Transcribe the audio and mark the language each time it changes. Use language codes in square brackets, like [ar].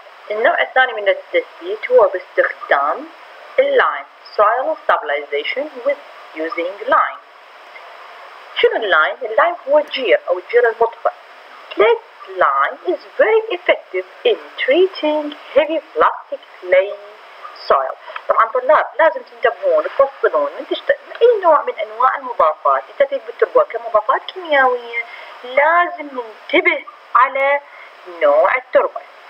[ar] النوع الثاني من التثبيت هو باستخدام [en] line soil stabilization with using line. [ar] شنو line؟ line هو جير أو الجير المطفئ. [en] This line is very effective in treating heavy plastic clay soil. [ar] طبعاً طلاب لازم تنتبهون تفصلون من تشتغل أي نوع من أنواع المضافات إذا تثبت تبغى كمضافات كيميائية لازم ننتبه على نوع التربة.